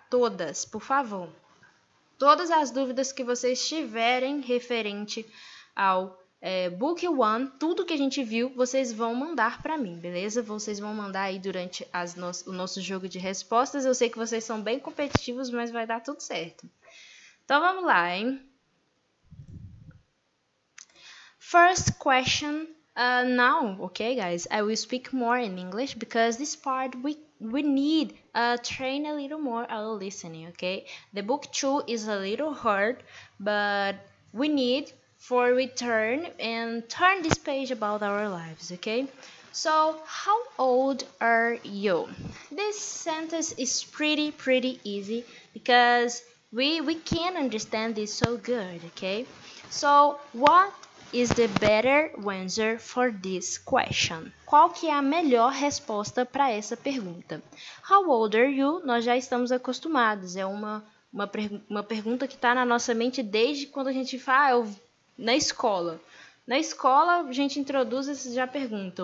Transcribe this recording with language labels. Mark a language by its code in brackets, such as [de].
[pt] Todas, por favor. Todas as dúvidas que vocês tiverem referente ao book 1, tudo que a gente viu, vocês vão mandar pra mim, beleza? Vocês vão mandar aí durante o nosso jogo de respostas. Eu sei que vocês são bem competitivos, mas vai dar tudo certo. Então, vamos lá, hein? [en] First question, now, okay, guys, I will speak more in English, because this part we need to train a little more our listening, okay? The book 2 is a little hard, but we need for return and turn this page about our lives, okay? So, how old are you? This sentence is pretty, pretty easy, because we can understand this so good, okay? So, what is the better answer for this question? [pt] Qual que é a melhor resposta para essa pergunta? [en] How old are you? [pt] Nós já estamos acostumados. É uma pergunta que está na nossa mente desde quando a gente fala na escola. Na escola, a gente introduz essa já pergunta.